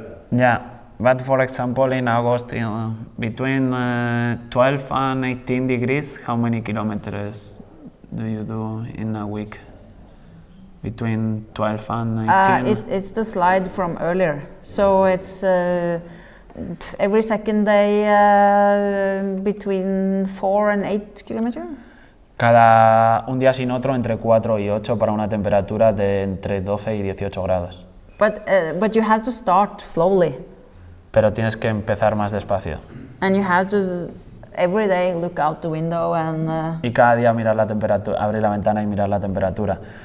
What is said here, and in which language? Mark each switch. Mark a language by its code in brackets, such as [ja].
[en] Yeah, but for example, in August, between 12 and 18 degrees, how many kilometers do you do in a week? Between 12 and 18? It's the slide from earlier. So it's every second day between 4 and 8 kilometers? [es] Cada un día sin otro entre 4 y 8 para una temperatura de entre 12 y 18 grados. [en] But you have to start slowly. [es] Pero tienes que empezar más despacio. [en] And you have to every day look out the window and [es] y cada día mirar la temperatura, abrir la ventana y mirar la temperatura.